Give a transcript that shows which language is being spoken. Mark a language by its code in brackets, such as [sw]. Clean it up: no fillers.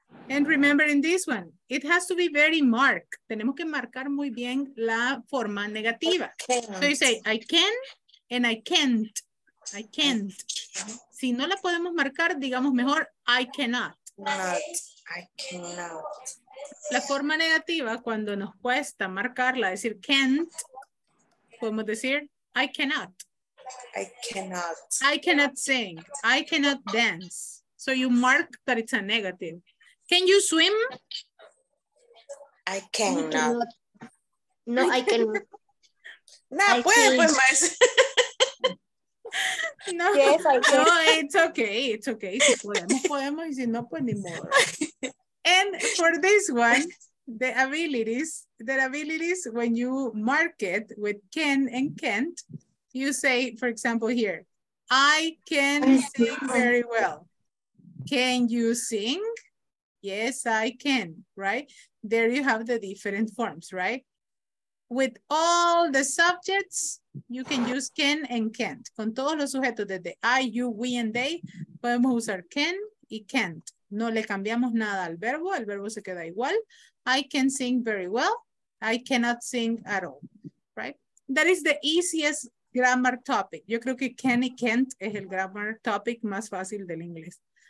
[en] And remember in this one, it has to be very marked. [es] Tenemos que marcar muy bien la forma negativa. [en] So you say, I can and I can't. I can't. [es] Si no la podemos marcar, digamos mejor, I cannot. [en] Not. I cannot. [es] La forma negativa, cuando nos cuesta marcarla, decir can't, podemos decir, I cannot. [en] I cannot. I cannot sing. I cannot dance. So you mark that it's a negative. Can you swim? I cannot. No, I cannot. No, I puede, pues, más. No, yes, I can. No, it's okay. It's okay. [es] Si podemos, podemos. Y si no, pues ni modo. [en] And for this one, the abilities, when you mark it with can and can't, you say, for example, here, I can sing very well. Can you sing? Yes, I can, right? There you have the different forms, right? With all the subjects, you can use can and can't. [es] Con todos los sujetos, desde I, you, we, and they, podemos usar can y can't. No le cambiamos nada al verbo, el verbo se queda igual. [en] I can sing very well. I cannot sing at all, right? That is the easiest grammar topic. [es] Yo creo que can y can't es el grammar topic más fácil del inglés.